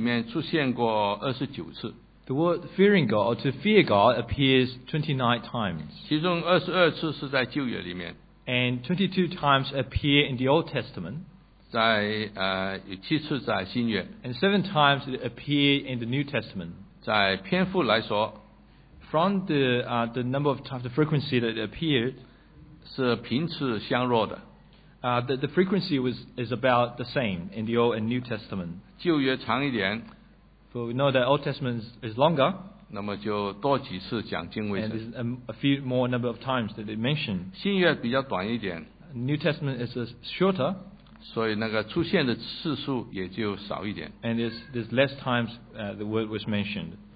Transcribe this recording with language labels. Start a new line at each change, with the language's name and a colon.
Chinese: 敬畏神在圣经里面出现过29次。
English: The word fearing God or to fear God appears 29 times.
Chinese: 其中22次是在旧约里面,
English: and 22 times appear in the Old Testament.
Chinese: 在, 有7次在新约,
English: and 7 times it appear in the New Testament.
Chinese: 在篇幅来说,
English: from the number of times, the frequency that it appeared,
Chinese: 是频次相若的,
English: the frequency is about the same in the Old and New Testament.
Chinese: 旧约长一点,
English: for we know that Old Testament is longer,
Chinese: 那么就多几次讲敬畏神,
English: and there's a few more number of times that it mentioned.
Chinese: 新约比较短一点,
English: New Testament is shorter,
Chinese: 所以那个出现的次数也就少一点,
English: and there's less times the word was mentioned.